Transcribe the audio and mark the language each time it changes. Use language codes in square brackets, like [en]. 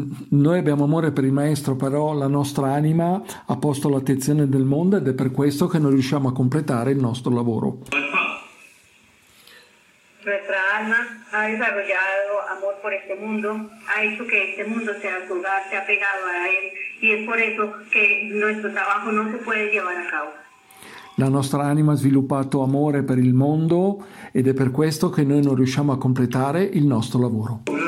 [it] Noi abbiamo amore per il maestro, però la nostra anima ha posto l'attenzione del mondo ed è per questo che non riusciamo a completare il nostro lavoro. [es] Nuestra alma ha desarrollado amor por este mundo, ha hecho que este mundo sea su hogar, sea pegado a él, y es por eso que nuestro trabajo no se puede llevar a cabo. [it] La nostra anima ha sviluppato amore per il mondo ed è per questo che noi non riusciamo a completare il nostro lavoro.